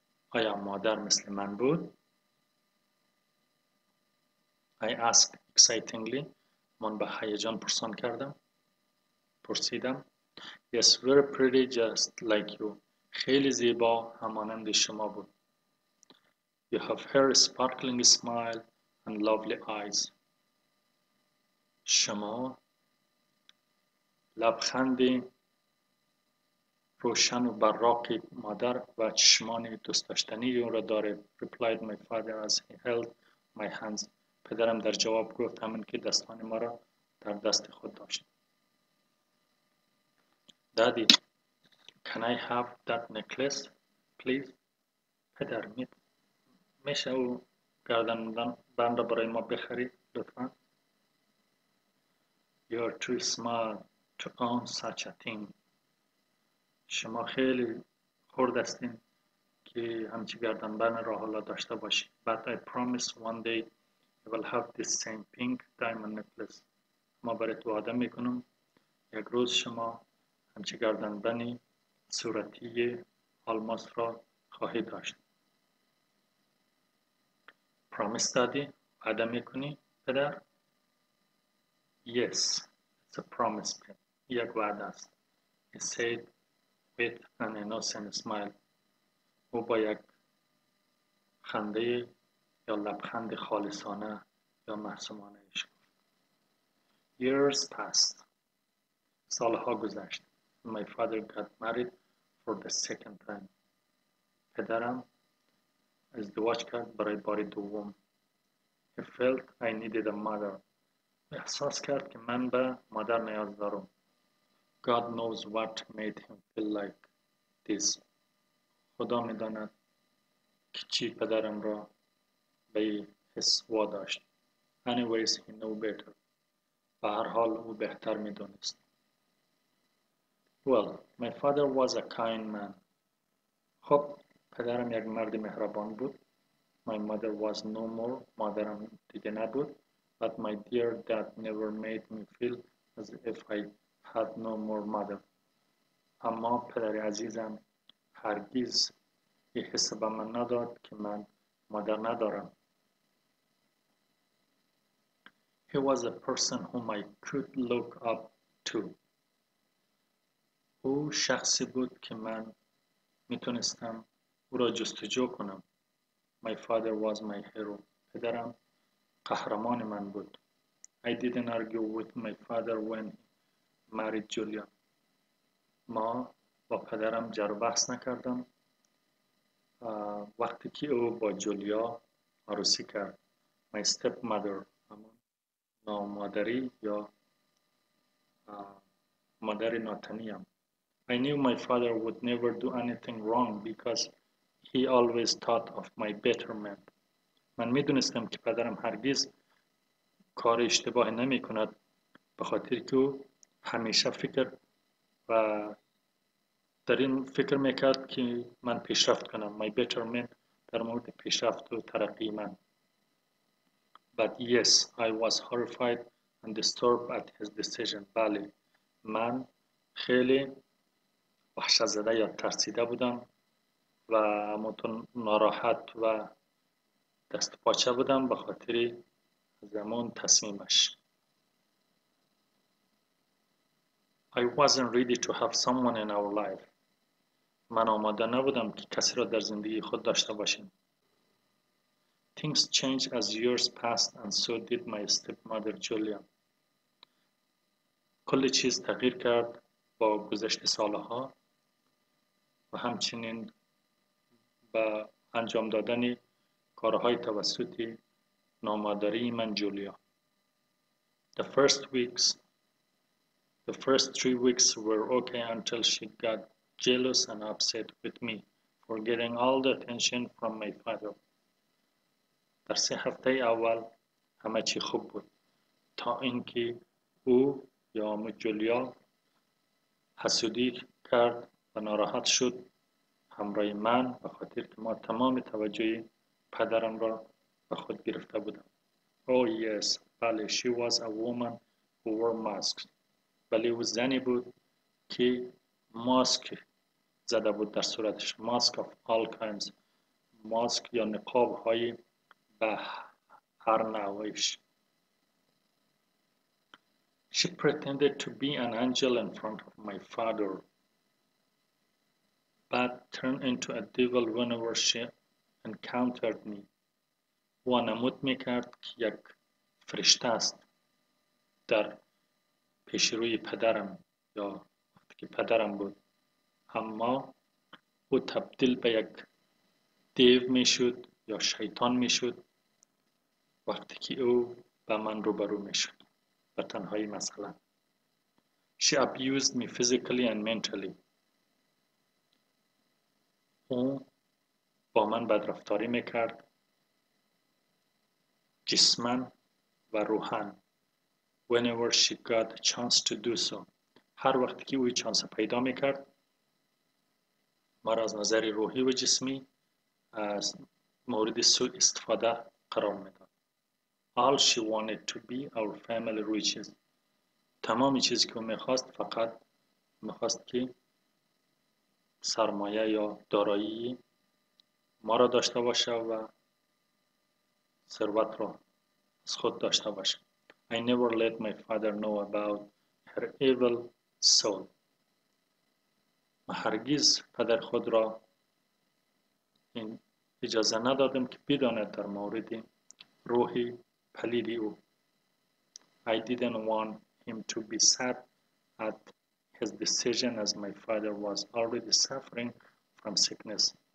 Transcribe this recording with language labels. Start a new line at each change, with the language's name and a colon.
Persian: آیا مادر مثل من بود؟
English: I asked excitingly،
Persian: من به هیجان پرسیدم.
English: Yes, very pretty just like you.
Persian: خیلی زیبا همانند شما بود.
English: You have her sparkling smile and lovely eyes.
Persian: شما لبخند روشن و براق مادر و چشمان دوست داشتنی اون را داره.
English: Replied my father as he held my hands.
Persian: پدرم در جواب گفت، همین که دستان ما را در دست خود داشت.
English: Daddy, can I have that necklace, please?
Persian: پدر، میشه او گردن بند برای ما بخری لطفا؟
English: You are too smart to own such a thing.
Persian: شما خیلی خرد هستین که همچی گردن بند را حالا داشته باشی.
English: But I promise one day you will have this same pink diamond necklace.
Persian: ما برای تو وعده میکنم یک روز شما همچی گردن بندی صورتی الماس را خواهی داشت. Promise دادی؟ وعده میکنی پدر؟
English: Yes, it's a promise pin.
Persian: یک وعده است.
English: He said with an innocent smile.
Persian: او با یک خنده یا لبخند خالصانه یا معصومانه ایش.
English: Years passed.
Persian: سالها گذشت.
English: My father got married for the second time.
Persian: پدرم ازدواج کرد برای بار دوم.
English: He felt I needed a mother.
Persian: احساس کرد که من به مادر نیاز دارم.
English: God knows what made him feel like this.
Persian: خدا می داند که چی پدرم را به حس واداشت.
English: Anyways, he knew better.
Persian: به هر حال او بهتر می دانست.
English: Well, my father was a kind man.
Persian: خب، پدرم یک مرد مهربان بود.
English: My mother was no more.
Persian: مادرم دیده نبود.
English: But my dear dad never made me feel as if I had no more mother.
Persian: اما پدر عزیزم هرگز یه حس به من نداد که من مادر ندارم.
English: He was a person whom I could look up to.
Persian: او شخصی بود که من میتونستم او را جستجو کنم.
English: My father was my hero.
Persian: پدرم قهرمان من بود.
English: I didn't argue with my father when he married Julia.
Persian: ما با پدرم جر بحث نکردم وقتی که او با جولیا عروسی کرد.
English: My stepmother.
Persian: نامادری یا مادر ناتنیم.
English: I knew my father would never do anything wrong because he always thought of my betterment.
Persian: من میدونستم که پدرم هرگز کار اشتباهی نمی کند به خاطر که او همیشه فکر و در این فکر میکرد که من پیشرفت کنم.
English: My betterment
Persian: در مورد پیشرفت و ترقی من.
English: But yes, I was horrified and disturbed at his decision.
Persian: بله, من خیلی وحشت زده یا ترسیده بودم و همونطور ناراحت و دست پاچه بودم به خاطر زمان تصمیمش.
English: I wasn't ready to have someone in our life.
Persian: من آماده نبودم که کسی را در زندگی خود داشته باشیم.
English: Things changed as years passed and so did my stepmother Julia.
Persian: کل چیز تغییر کرد با گذشت سالها و همچنین با انجام دادن کارهای توسط نامادری من جولیا.
English: The first 3 weeks were okay until she got jealous and upset with me for getting all the attention from my father.
Persian: در 3 هفته اول همه چی خوب بود تا اینکه او یا جولیا حسودی کرد و ناراحت شد همراه من به خاطر که ما تمام توجه پدرم را به خود گرفته بودم.
English: Oh yes, بله, she was a woman who wore masks.
Persian: بله, او زنی بود که ماسک زده بود در صورتش.
English: Mask of all kinds.
Persian: ماسک یا نقاب های به هر نوعش.
English: She pretended to be an angel in front of my father. But turned into a devil whenever she encountered me.
Persian: او نمود میکرد که یک فرشته است در پیش روی پدرم یا وقتی که پدرم بود. اما او تبدیل به یک دیو میشد یا شیطان میشد وقتی که او به من روبرو میشد به تنهایی مثلا.
English: She abused me physically and mentally.
Persian: او با من بدرفتاری میکرد جسمن و روحن.
English: Whenever she got a chance to do so.
Persian: هر وقتی که اوی چانس پیدا میکرد مرا از نظر روحی و جسمی از مورد سوء استفاده قرار میداد.
English: All she wanted to be our family riches.
Persian: تمام چیزی که او میخواست فقط میخواست که سرمایه یا دارایی ما را داشته باشه و ثروت را از خود داشته باشه.
English: I never let my father know about her evil soul.
Persian: ما هرگز پدر خود را این اجازه ندادم که بداند در مورد روحی پلیدی او.
English: I didn't want him to be sad at his decision as my father was already suffering from sickness.